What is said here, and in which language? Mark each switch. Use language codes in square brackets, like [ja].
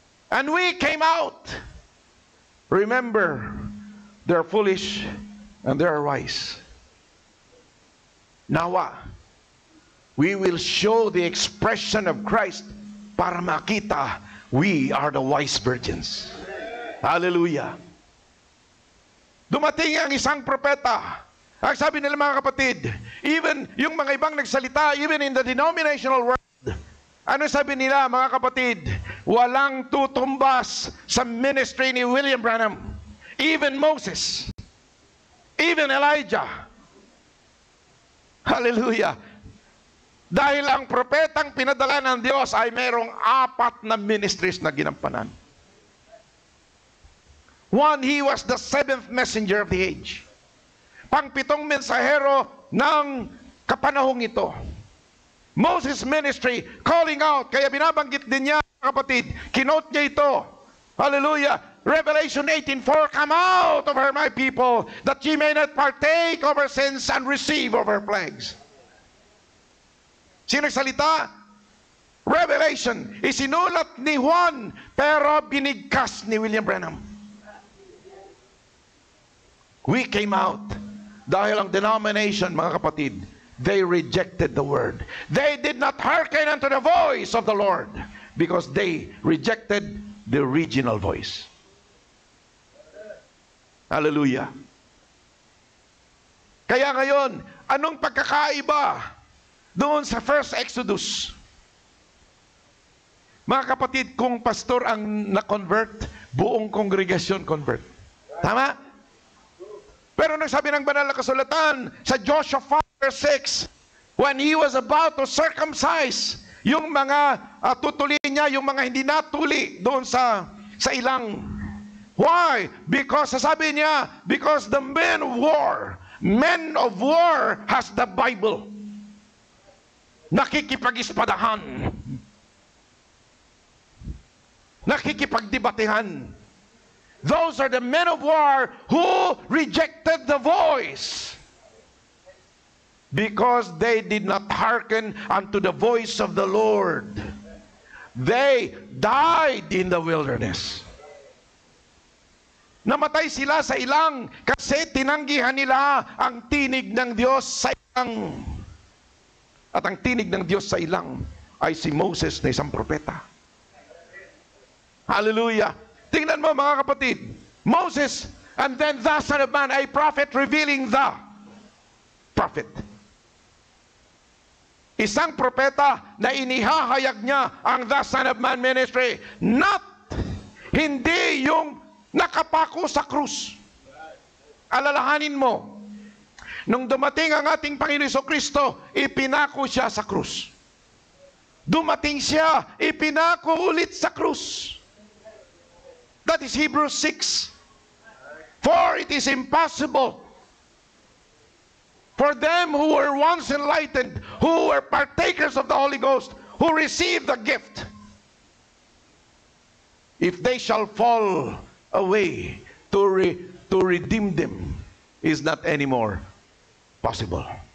[en] And we came out. Remember, they are foolish and they are wise. Now, we will show the expression of Christ [tl] para makita [en] we are the wise virgins. Hallelujah. [tl] Dumating ang isang propeta. Ang sabi nila, mga kapatid, even yung mga ibang nagsalita, [en] even in the denominational world, [tl] ano sabi nila, mga kapatid? Walang tutumbas sa ministry ni William Branham. [en] Even Moses, even Elijah. Hallelujah. [tl] Dahil ang propetang pinadala ng Diyos ay mayroong apat na ministries na ginampanan. [en] One, he was the seventh messenger of the age. [tl] Pangpitong mensahero ng kapanahong ito. [en] Moses' ministry, calling out. [tl] Kaya binabanggit din niya, kapatid, kinote niya ito. Hallelujah. [en] Revelation 18:4, come out of her, my people, that ye may not partake of her sins and receive of her plagues. [tl] Sino salita? Revelation, isinulat ni Juan, pero binigkas ni William Branham. [en] We came out [tl] dahil ang denomination, mga kapatid, [en] they rejected the word. They did not hearken unto the voice of the Lord because they rejected the original voice. Hallelujah. [tl] Kaya ngayon, anong pagkakaiba doon sa first Exodus? Mga kapatid, kung pastor ang na-convert, buong congregation convert. Tama? Pero nang sabi ng banal na kasulatan sa Joshua 5:6, [en] when he was about to circumcise [tl] yung mga tutuli niya, yung mga hindi natuli doon sa ilang. [en] Why? Because, [tl] sabi niya, [en] because the men of war has the Bible. [tl] Nakikipag-ispadahan. Nakikipag-dibatehan. [en] Those are the men of war who rejected the voice. Because they did not hearken unto the voice of the Lord. They died in the wilderness. [tl] Namatay sila sa ilang kasi tinanggihan nila ang tinig ng Diyos sa ilang. At ang tinig ng Diyos sa ilang ay si Moses na isang propeta. Hallelujah. Tingnan mo, mga kapatid. Moses, [en] And then the Son of Man, a prophet revealing the prophet. [tl] Isang propeta na inihahayag niya ang [en] the Son of Man ministry. [tl] Hindi yung nakapako sa krus. Alalahanin mo, nung dumating ang ating Panginoon Jesucristo, ipinako siya sa krus. Dumating siya, ipinako ulit sa krus. [en] That is Hebrews 6. For it is impossible for them who were once enlightened, who were partakers of the Holy Ghost, who received the gift, if they shall fall away, to redeem them is not anymore possible.